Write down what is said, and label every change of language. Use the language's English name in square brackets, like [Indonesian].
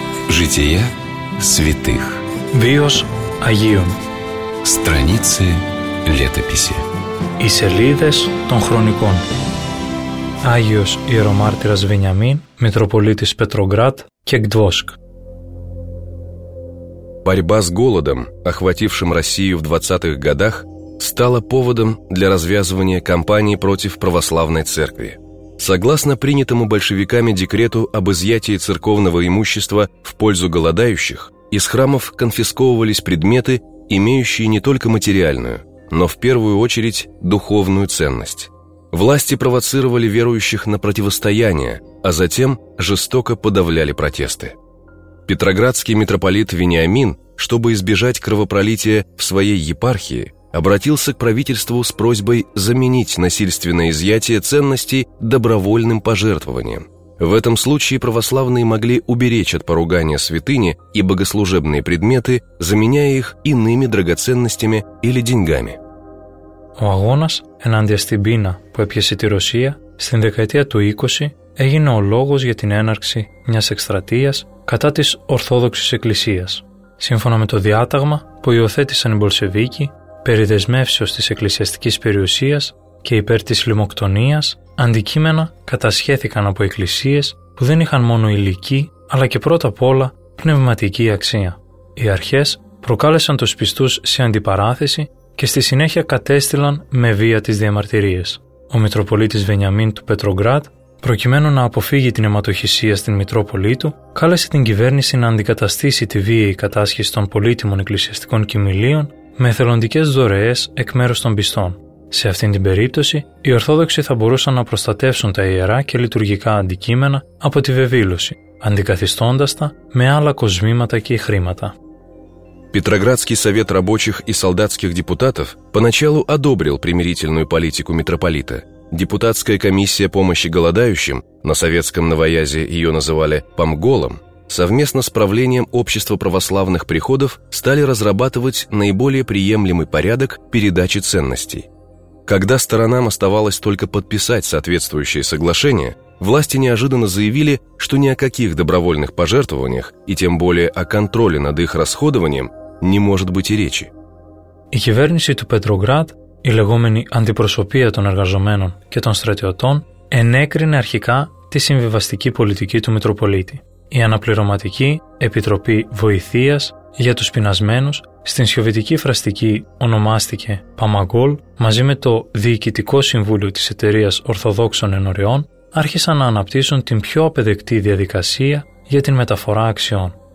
[Russian] Жития святых. [Greek] Βίος Αγίων. [Russian] Страницы летописи. [Greek] Οι σελίδες των χρονικών. Άγιος Ιερομάρτυρας Βενιαμίν, Μητροπολίτης Πετρογκράτ και Γκδόσκ. [Russian] Борьба с голодом, охватившим Россию в 20-х годах, стала поводом для развязывания кампании против православной церкви. Согласно принятому большевиками декрету об изъятии церковного имущества в пользу голодающих, из храмов конфисковывались предметы, имеющие не только материальную, но в первую очередь духовную ценность. Власти провоцировали верующих на противостояние, а затем жестоко подавляли протесты. Петроградский митрополит Вениамин, чтобы избежать кровопролития в своей епархии, обратился к правительству с просьбой заменить насильственное изъятие ценностей добровольным пожертвованием. В этом случае православные могли уберечь от поругания святыни и богослужебные предметы, заменяя их иными драгоценностями или деньгами. [Greek] Ο αγώνας ενάντια στην πείνα που έπιασε τη Ρωσία στην δεκαετία του 20 έγινε ο λόγος για την έναρξη μιας εκστρατείας κατά της Ορθόδοξης Εκκλησίας. Σύμφωνα με το διάταγμα που υιοθέτησαν οι Μπολσεβίκοι περί δεσμεύσεως της εκκλησιαστικής περιουσίας και υπέρ της λιμοκτονίας, αντικείμενα κατασχέθηκαν από εκκλησίες που δεν είχαν μόνο υλική, αλλά και πρώτα απ' όλα πνευματική αξία. Οι αρχές προκάλεσαν τους πιστούς σε αντιπαράθεση και στη συνέχεια κατέστειλαν με βία τις διαμαρτυρίες. Ο Μητροπολίτης Βενιαμίν του Πετρογκράτ, προκειμένου να αποφύγει την αιματοχυσία στην Μητρόπολη του, κάλεσε την κυβέρνηση να αντικαταστήσει τη βίαιη κατάσχεση των πολύτιμων εκκλησιαστικών κοιμηλίων με εθελοντικές δωρεές εκ μέρους των πιστών. Σε αυτήν την περίπτωση, οι Ορθόδοξοι θα μπορούσαν να προστατεύσουν τα ιερά και λειτουργικά αντικείμενα από τη βεβήλωση, αντικαθιστώντας τα με άλλα κοσμήματα και χρήματα. [Russian] Петроградский совет рабочих и солдатских депутатов поначалу одобрил примирительную политику митрополита. Депутатская комиссия помощи голодающим, на советском новоязе ее называли «помголом», совместно с правлением общества православных приходов стали разрабатывать наиболее приемлемый порядок передачи ценностей. Когда сторонам оставалось только подписать соответствующее соглашение, власти неожиданно заявили, что ни о каких добровольных пожертвованиях и тем более о контроле над их расходованием не может быть и речи. [Greek] Η κυβέρνηση του Πετρογκράτ, η λεγόμενη αντιπροσωπεία των εργαζομένων και των στρατιωτών, ενέκρινε αρχικά τη συμβιβαστική πολιτική του Μητροπολίτη. Η Αναπληρωματική Επιτροπή Βοηθείας για τους Πεινασμένους στην Σοβιετική Φραστική ονομάστηκε Παμαγκόλ, μαζί με το Διοικητικό Συμβούλιο της Εταιρείας Ορθοδόξων Ενωριών άρχισαν να αναπτύσσουν την πιο απεδεκτή διαδικασία για την μεταφορά αξιών.